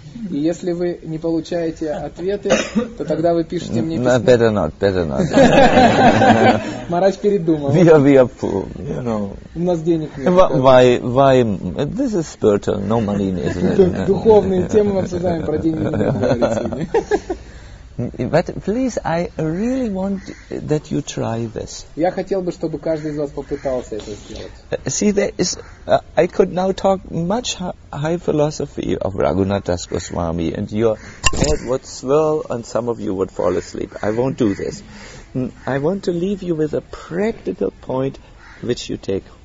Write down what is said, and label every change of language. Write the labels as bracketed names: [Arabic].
[Russian] И если вы не получаете ответы, то тогда вы пишете мне письмо. [English] Better not. [Russian] Марач передумал. [English] We are poor, you know. [Russian] У нас денег нет. [English] Why? This is spiritual, no money, isn't it? [Russian] Духовные темы мы обсуждаем, про деньги не говорится. [English] But please, I really want that you try this. [Russian] Я хотел бы, чтобы каждый из вас попытался это сделать. [English] See, there is. I could now talk much high philosophy of Raghunath Das Goswami, and your head would swirl, and some of you would fall asleep. I won't do this. I want to leave you with a practical point, which you take.